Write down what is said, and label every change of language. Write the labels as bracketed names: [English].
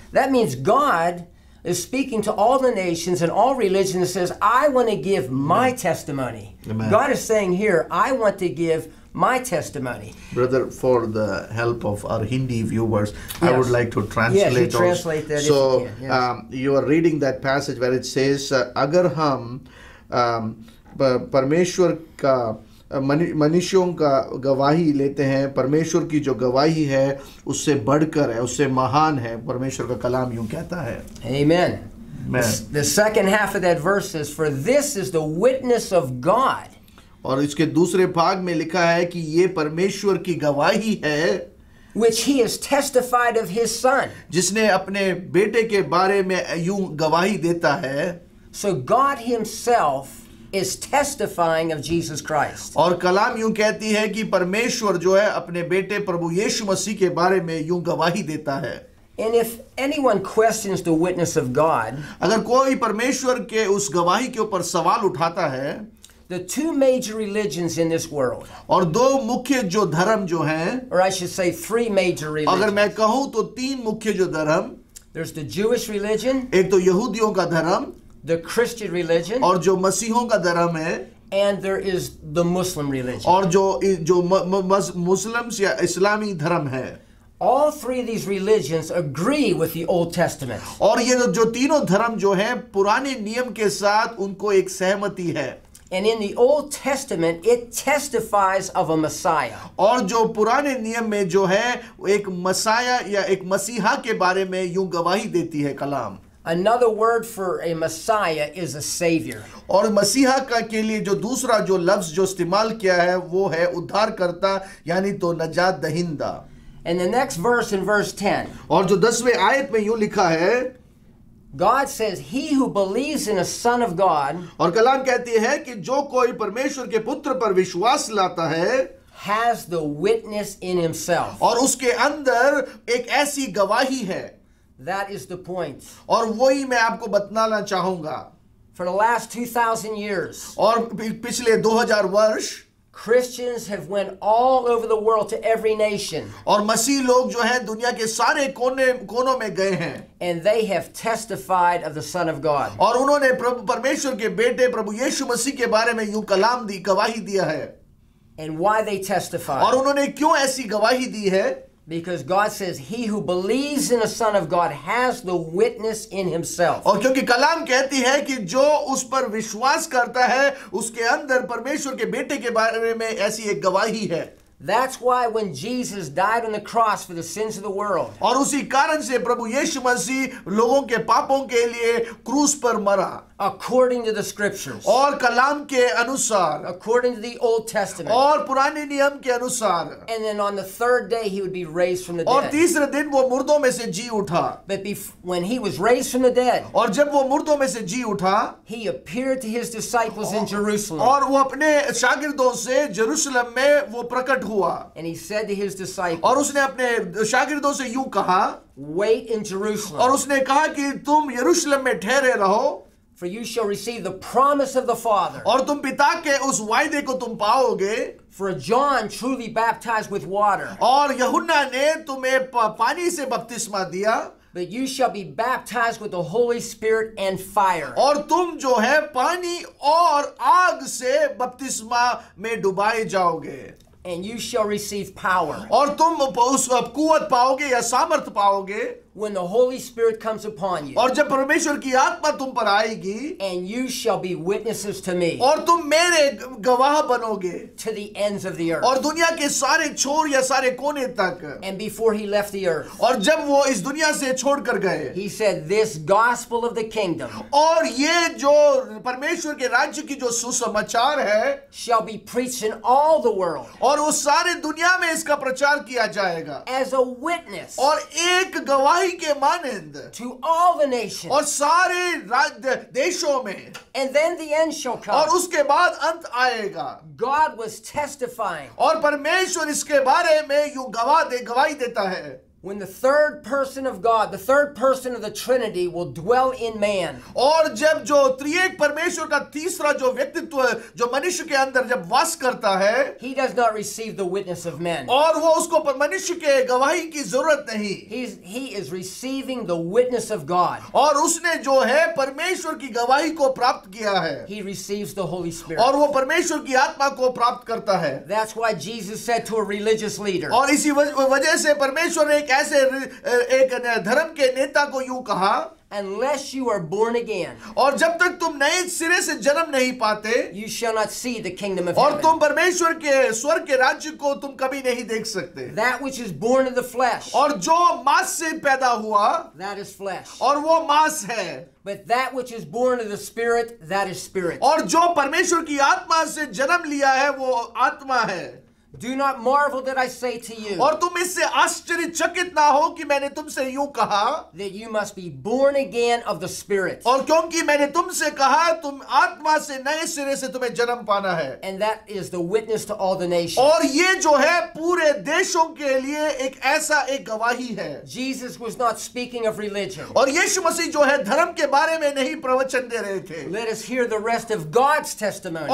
[English] That means God is speaking to all the nations and all religions and says, "I want to give my testimony." Amen. God is saying here, "I want to give my testimony." Brother, for the help of our Hindi viewers, yes, I would like to translate those. Translate that. So if you can. Yes. You are reading that passage where it says, [Hindi] "Agar hum Parmeshwar ka मनुष्यों का गवाही लेते हैं, परमेश्वर की जो गवाही है उससे बढ़कर है, उससे महान है, परमेश्वर का कलाम यूं कहता है." [English] Amen. The second half of that verse says, "For this is the witness of God." [Hindi] और इसके दूसरे भाग में लिखा है कि ये परमेश्वर की गवाही है. [English] which he has testified of his son. [Hindi] जिसने अपने बेटे के बारे में यूं गवाही देता है. [English] So God himself is testifying of Jesus Christ. [Hindi] और कलाम यूं कहती है कि परमेश्वर जो है अपने बेटे प्रभु यीशु मसीह के बारे में यूं गवाही देता है. [English] And if anyone questions the witness of God, [Hindi] अगर कोई परमेश्वर के उस गवाही के ऊपर सवाल उठाता है, [English] the two major religions in this world, [Hindi] और दो मुख्य जो धर्म जो हैं, [English] or I should say three major religions, [Hindi] अगर मैं कहूँ तो तीन मुख्य जो धर्म, [English] there's the Jewish religion, [Hindi] एक तो यहूदियों का धर्म, [English] the Christian religion, [Hindi] और जो मसीहों का धर्म है, [English] and there is the Muslim religion, [Hindi] और जो मुस्लिम या इस्लामी धर्म है. [English] All three of these religions agree with the Old Testament. [Hindi] और ये जो तीनों धर्म जो हैं पुराने नियम के साथ उनको एक सहमति है. [English] And in the Old Testament, it testifies of a Messiah. [Hindi] और जो पुराने नियम में जो है एक मसीहा या एक मसीहा के बारे में यूं गवाही देती है कलाम. [English] Another word for a Messiah is a Savior. [Hindi] और मसीहा का के लिए जो दूसरा जो लफ्ज जो इस्तेमाल किया है वो है उद्धारकर्ता यानी तो नजात दहिंदा. [English] And the next verse in verse 10. [Hindi] और जो 10वें आयत में यूं लिखा है, [English] God says, "He who believes in a Son of God." [Hindi] और कलाम कहती है कि जो कोई परमेश्वर के पुत्र पर विश्वास लाता है, [English] has the witness in himself. [Hindi] और उसके अंदर एक ऐसी गवाही है. [English] That is the point. [Hindi] और वही मैं आपको बताना चाहूँगा. [English] For the last 2,000 years. [Hindi] और पिछले 2,000 वर्ष. [English] Christians have went all over the world to every nation. [Hindi] और मसीह लोग जो हैं दुनिया के सारे कोनों में गए हैं. [English] And they have testified of the Son of God. [Hindi] और उन्होंने प्रभु परमेश्वर के बेटे प्रभु यीशु मसीह के बारे में यूं कलाम दी गवाही दिया है. [English] And why they testify? [Hindi] और उन्होंने क्यों ऐसी गवाही दी है? [English] Because God says, "He who believes in the Son of God has the witness in himself." [Hindi] और क्योंकि कलाम कहती है कि जो उस पर विश्वास करता है, उसके अंदर परमेश्वर के बेटे के बारे में ऐसी एक गवाही है. [English] That's why when Jesus died on the cross for the sins of the world. [Hindi] और उसी कारण से प्रभु यीशु मसीह लोगों के पापों के लिए क्रूस पर मरा. [English] According to the scriptures. [Hindi] और कलाम के अनुसार. [English] According to the Old Testament. [Hindi] और पुराने नियम के अनुसार. [English] And then on the third day he would be raised from the dead. [Hindi] और तीसरे दिन वो मुर्दों में से जी उठा. [English] But when he was raised from the dead. [Hindi] और जब वो मुर्दों में से जी उठा. [English] He appeared to his disciples in Jerusalem. [Hindi] और वो अपने शागिर्दों से जेरूशलेम में वो प्रकट हुआ. [English] And he said to his disciples. [Hindi] और उसने अपने शागिर्दों से यूं कहा. [English] Wait in Jerusalem. [Hindi] और उसने कहा कि तुम यरूशलेम में ठहरे रहो. [English] For you shall receive the promise of the Father. [Hindi] और तुम पिता के उस वायदे को तुम पाओगे. [English] For John truly baptized with water. [Hindi] और यहुन्ना ने तुम्हें पानी से बपतिस्मा दिया. [English] But you shall be baptized with the Holy Spirit and fire. [Hindi] और तुम जो है पानी और आग से बपतिस्मा में डुबाए जाओगे. [English] And you shall receive power. [Hindi] और तुम उस कुवत पाओगे या सामर्थ पाओगे. [English] When the Holy Spirit comes upon you. [Hindi] और जब परमेश्वर की आत्मा तुम पर आएगी. [English] And you shall be witnesses to me. [Hindi] और तुम मेरे गवाह बनोगे. [English] To the ends of the earth. [Hindi] और दुनिया के सारे छोर या सारे कोने तक. [English] And before he left the earth. [Hindi] और जब वो इस दुनिया से छोड़ कर गए. [English] He said, "This gospel of the kingdom." [Hindi] और ये जो परमेश्वर के राज्य की जो सुसमाचार है. [English] Shall be preached in all the world. [Hindi] और वो सारे दुनिया में इसका प्रचार किया जाएगा. [English] As a witness. [Hindi] और एक गवाह के मानिंद [English] to all the nations [Hindi] और सारे देशों में. [English] And then the end shall come. [Hindi] और उसके बाद अंत आएगा. [English] God was testifying. [Hindi] और परमेश्वर इसके बारे में यूं गवाही देता है. [English] When the third person of God, the third person of the Trinity, will dwell in man. [Hindi] और जब जो त्रिएक परमेश्वर का तीसरा जो व्यक्तित्व जो मनुष्य के अंदर जब वास करता है. [English] He does not receive the witness of men. [Hindi] और वो उसको मनुष्य के गवाही की जरूरत नहीं. [English] He is receiving the witness of God. [Hindi] और उसने जो है परमेश्वर की गवाही को प्राप्त किया है. [English] He receives the Holy Spirit. [Hindi] और वो परमेश्वर की आत्मा को प्राप्त करता है. [English] That's why Jesus said to a religious leader. [Hindi] और इसी वजह से परमेश्वर ने ऐसे एक धर्म के नेता को यूं कहा. [English] Unless you are born again. [Hindi] और जब तक तुम नए सिरे से जन्म नहीं पाते. [English] You shall not see the kingdom of heaven. [Hindi] और तुम परमेश्वर के स्वर्ग के राज्य को तुम कभी नहीं देख सकते. [English] That which is born of the flesh. [Hindi] और जो मांस से पैदा हुआ. [English] That is flesh. [Hindi] और वो मांस है. [English] But that which is born of the spirit, that is spirit. [Hindi] और जो परमेश्वर की आत्मा से जन्म लिया है वो आत्मा है. [English] Do not marvel that I say to you. [Hindi] और तुम इससे आश्चर्यचकित ना हो कि मैंने तुमसे यूं कहा. [English] That you must be born again of the Spirit. [Hindi] और क्योंकि मैंने तुमसे कहा तुम आत्मा से नए सिरे से तुम्हें जन्म पाना है. [English] And that is the witness to all the nations. [Hindi] और ये जो है पूरे देशों के लिए एक ऐसा एक गवाही है. [English] Jesus was not speaking of religion. [Hindi] और यीशु मसीह जो है धर्म के बारे में नहीं प्रवचन दे रहे थे. [English] Let us hear the rest of God's testimony.